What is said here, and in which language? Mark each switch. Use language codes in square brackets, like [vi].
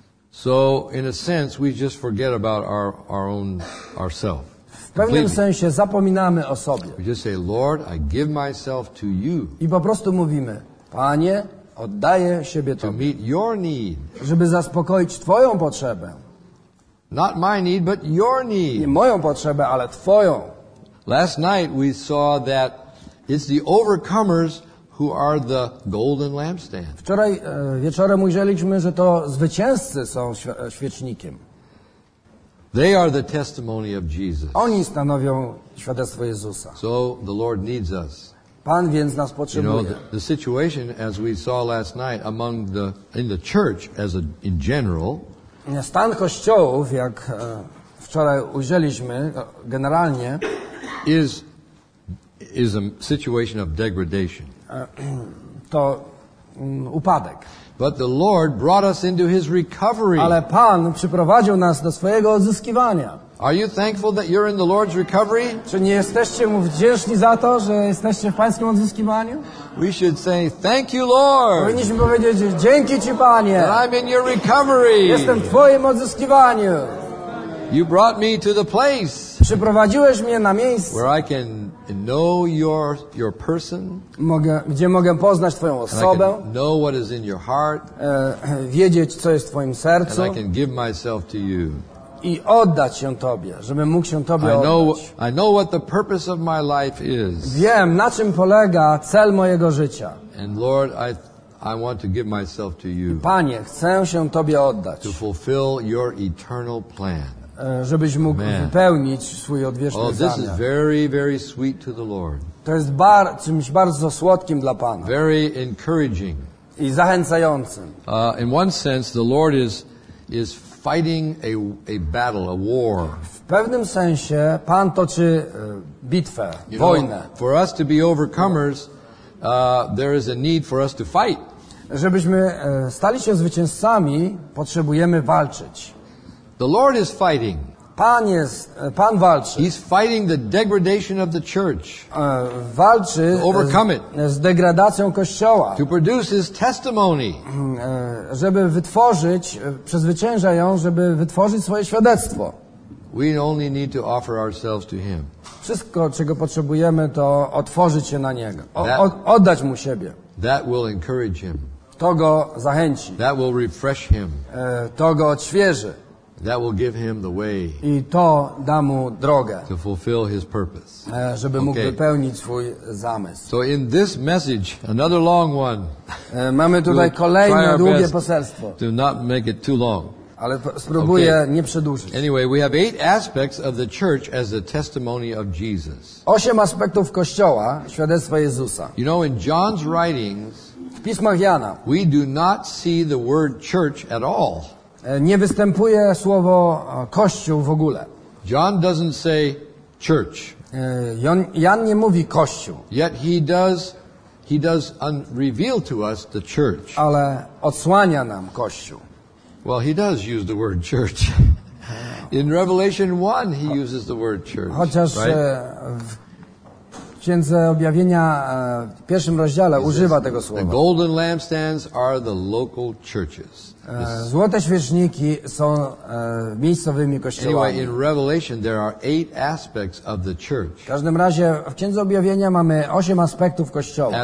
[en] So in a sense we just forget about our own ourselves. [pl] W pewnym sensie zapominamy o sobie. [en] We just say, Lord, I give myself to you. [pl] I po prostu mówimy: Panie, oddaję siebie Tobie. [en] To meet your need. [pl] Żeby zaspokoić Twoją potrzebę. [en] Not my need, but your need. [pl] Nie moją potrzebę, ale twoją. [en] Last night we saw that it's the overcomers who are the golden lampstand. [pl] Wczoraj wieczorem ujrzeliśmy, że to zwycięzcy są świecznikiem. [en] They are the testimony of Jesus. [pl] Oni stanowią świadectwo Jezusa. [en] So the Lord needs us. [pl] Pan więc nas potrzebuje. [en] You know, the situation as we saw last night among the in the church as a, in general. [pl] Stan kościołów, jak wczoraj ujrzeliśmy, generalnie [en] is a situation of degradation. [pl] To upadek. [en] But the Lord brought us into his recovery. [pl] Ale Pan przyprowadził nas do swojego odzyskiwania. [en] Are you thankful that you're in the Lord's recovery? [pl] Czy nie jesteście mu wdzięczni za to, że jesteście w pańskim odzyskiwaniu? [en] We should say thank you, Lord. [pl] Powinniśmy powiedzieć dzięki ci, Panie. [en] I'm in your recovery. [pl] Jestem w twoim odzyskiwaniu. [en] You brought me to the place. [pl] Przyprowadziłeś mnie na miejsce. [en] Where I can know your person. [pl] Gdzie mogę poznać twoją osobę. [en] And I can know what is in your heart. [pl] Wiedzieć co jest w twoim sercu. [en] And I can give myself to you. [pl] I oddać się Tobie, żebym mógł się Tobie oddać. [en] I know what the purpose of my life is. [pl] Wiem, na czym polega cel mojego życia. [en] And Lord, I want to give myself to you. [pl] Panie, chcę się Tobie oddać. [en] To fulfill your eternal plan. [pl] Żebyś mógł wypełnić swój odwieczny zamiar. [en] Oh, this is very, very sweet to the Lord. [pl] To jest czymś bardzo słodkim dla Pana. [en] Very encouraging. [pl] I zachęcającym. [en] In one sense, the Lord is fighting a battle, a war. [pl] W pewnym sensie Pan toczy bitwę, [en] you [pl] wojnę. [en] Know, for us to be overcomers, there is a need for us to fight. [pl] Żebyśmy stali się zwycięzcami, potrzebujemy walczyć. [en] The Lord is fighting. [pl] Pan walczy. [en] He's fighting the degradation of the church. [pl] Walczy [en] to overcome it. [pl] Z degradacją kościoła. [en] To produce his testimony. [pl] Żeby wytworzyć, przezwycięża ją, żeby wytworzyć swoje świadectwo. [en] We only need to offer ourselves to him. [pl] Wszystko, czego potrzebujemy, to otworzyć się na niego. Oddać mu siebie. [en] That will encourage him. [pl] To go zachęci. [en] That will refresh him. [pl] To go odświeży. [en] That will give him the way. [pl] I to da mu drogę. [en] To fulfill his purpose. [pl] Żeby mógł wypełnić swój zamysł. [en] So in this message, another long one. [pl] Mamy tutaj kolejne długie poselstwo. [en] Do not make it too long. [pl] Ale spróbuję nie przedłużyć. [en] Anyway, we have 8 aspects of the church as the testimony of Jesus. [pl] 8 aspektów kościoła, świadectwa Jezusa. [en] You know, in John's writings, [pl] w pismach Jana, [en] we do not see the word church at all. [pl] Nie występuje słowo kościół w ogóle. [en] John doesn't say church. [pl] Jan nie mówi kościół. [en] Yet he does reveal to us the church. [pl] Ale odsłania nam kościół. [en] Well, he does use the word church. In Revelation 1, he uses the word church. [pl] Chociaż [en] right? [pl] W Księdze Objawienia, w pierwszym rozdziale, [en] he [pl] używa [en] says, [pl] tego słowa. [en] The golden lampstands are the local churches. [pl] Złote świeczniki są miejscowymi kościołami. [en] Anyway, in Revelation, there are 8 aspects of the church. [pl] W każdym razie, w Księdze Objawienia mamy 8 aspektów kościoła.